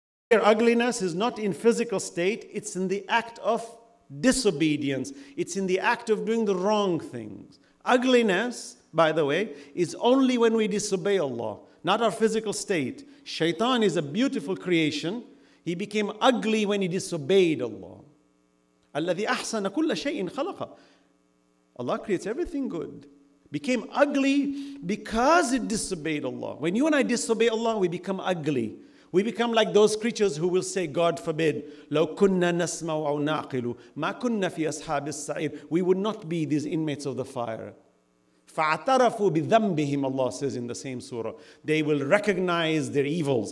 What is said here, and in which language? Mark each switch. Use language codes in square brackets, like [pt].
[en] Their ugliness is not in physical state, it's in the act of disobedience. It's in the act of doing the wrong things. Ugliness, by the way, is only when we disobey Allah. Not our physical state. Shaitan is a beautiful creation. He became ugly when he disobeyed Allah. [ar] الَّذِي أَحْسَنَ كُلَّ شَيْءٍ خَلَقَ [en] Allah creates everything good. Became ugly because it disobeyed Allah. When you and I disobey Allah, we become ugly. We become like those creatures who will say, God forbid, [ar] لَوْ كُنَّا نَسْمَعُ أَوْ نَعْقِلُ مَا كُنَّا فِي أَصْحَابِ السَّعِيرِ [en] We would not be these inmates of the fire. [ar] فَاعْتَرَفُوا بِذَنْبِهِمْ [en] Allah says in the same surah. They will recognize their evils.